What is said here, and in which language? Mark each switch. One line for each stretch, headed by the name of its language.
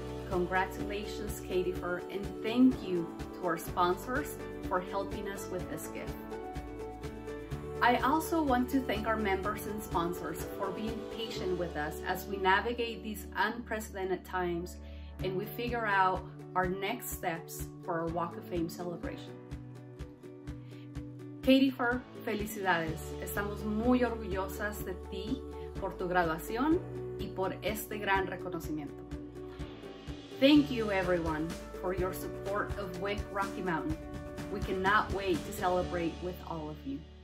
English: Congratulations, Katiefer, and thank you to our sponsors for helping us with this gift. I also want to thank our members and sponsors for being patient with us as we navigate these unprecedented times and we figure out our next steps for our Walk of Fame celebration.
Spanish: Katiefer, felicidades. Estamos muy orgullosas de ti por tu graduación y por este gran reconocimiento.
English: Thank you, everyone, for your support of WICT Rocky Mountain. We cannot wait to celebrate with all of you.